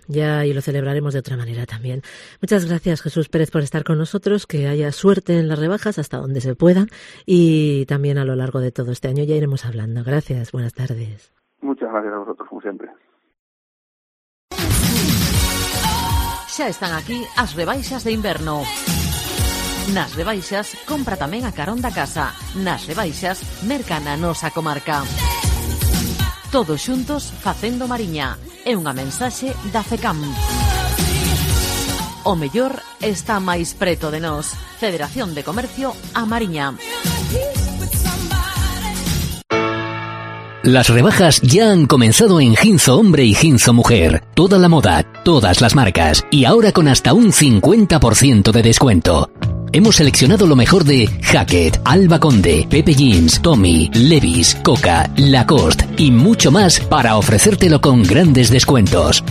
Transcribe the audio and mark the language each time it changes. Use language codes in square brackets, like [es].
[es] Ya y lo celebraremos de otra manera también. Muchas gracias, Jesús Pérez, por estar con nosotros. Que haya suerte en las rebajas hasta donde se pueda y también a lo largo de todo este año ya iremos hablando. Gracias. Buenas tardes. Muchas gracias a vosotros, como siempre. [gl] Ya están aquí las rebaixas de inverno. Nas rebaixas, compra tamén a carón da casa. Nas rebaixas, merca na nosa comarca. Todos xuntos, facendo mariña. É unha mensaxe da FECAM. O mellor está máis preto de nós. Federación de Comercio a Mariña. [es] Las rebajas ya han comenzado en Ginzo Hombre y Ginzo Mujer. Toda la moda, todas las marcas. Y ahora con hasta un 50% de descuento. Hemos seleccionado lo mejor de Hackett, Alba Conde, Pepe Jeans, Tommy, Levi's, Coca, Lacoste y mucho más para ofrecértelo con grandes descuentos.